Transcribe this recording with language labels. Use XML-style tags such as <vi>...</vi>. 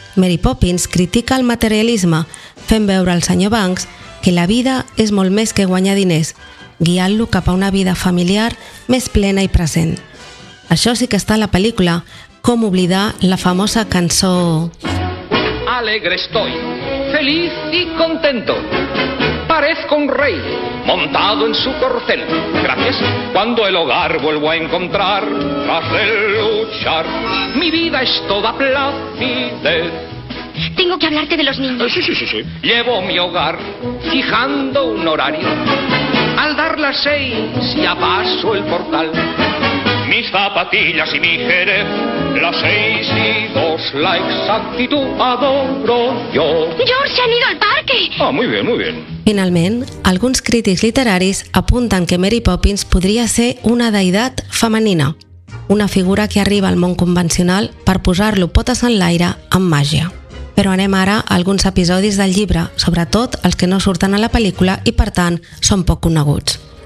<ca>Mary Poppins critica el materialisme, fent veure al senyor Banks que la vida és molt més que guanyar diners, guiant-lo cap a una vida familiar més plena i present. Això sí que està a la pel·lícula, com oblidar la famosa cançó...</ca> <es>Alegre estoy, feliz y contento. Parezco un rey montado en su corcel. Gracias. Cuando el hogar vuelvo a encontrar tras de luchar, mi vida es toda placidez. Tengo que hablarte de los niños. Sí. Llevo mi hogar fijando un horario. Al dar las 6 ya paso el portal. Mis zapatillas y mi jerez, las 6:02, la exactitud adoro yo. ¡George, se han ido al parque! Ah, muy bien, muy bien.</es> <ca>Finalment, alguns crítics literaris apunten que Mary Poppins podria ser una deïtat femenina, una figura que arriba al món convencional per posar-lo potes en l'aire amb màgia. Però anem ara a alguns episodis del llibre, sobretot els que no surten a la pel·lícula i, per tant, són poc coneguts.</ca>